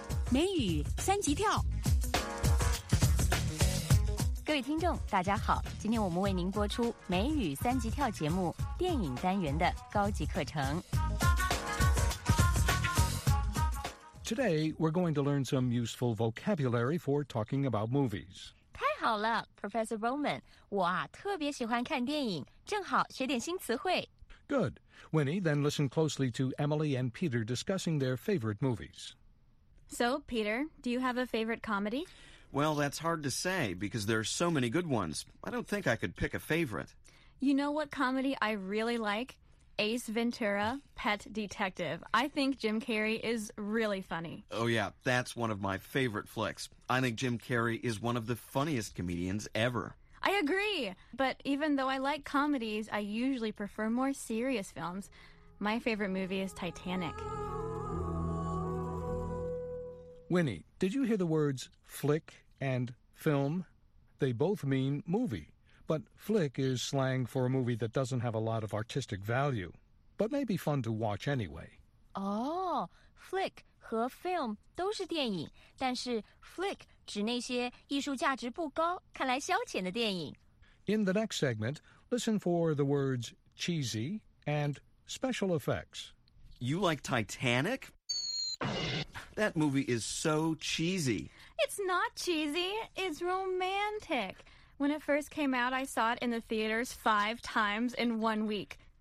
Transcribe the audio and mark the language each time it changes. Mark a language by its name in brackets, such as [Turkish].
[Chinese] 美语三级跳。各位听众大家好，今天我们为您播出美语三级跳节目电影单元的高级课程。 [English] Today, we're going to learn some useful vocabulary for talking about movies. [Chinese] 太好了 Professor Bowman, 我啊特别喜欢看电影，正好学点新词汇。 [English] Good. Winnie, then listen closely to Emily and Peter discussing their favorite movies. So, Peter, do you have a favorite comedy? Well, that's hard to say because there are so many good ones. I don't think I could pick a favorite. You know what comedy I really like? Ace Ventura, Pet Detective. I think Jim Carrey is really funny. Oh, yeah, that's one of my favorite flicks. I think Jim Carrey is one of the funniest comedians ever. I agree. But even though I like comedies, I usually prefer more serious films. My favorite movie is Titanic. Winnie, did you hear the words flick and film? They both mean movie. But flick is slang for a movie that doesn't have a lot of artistic value, but may be fun to watch anyway. [Chinese] Oh, flick 和 film 都是电影，但是 flick 指那些艺术价值不高、看来消遣的电影。 [English] In the next segment, listen for the words cheesy and special effects. You like Titanic? That movie is so cheesy. It's not cheesy, it's romantic. When it first came out, I saw it in the theaters 5 times in 1 week.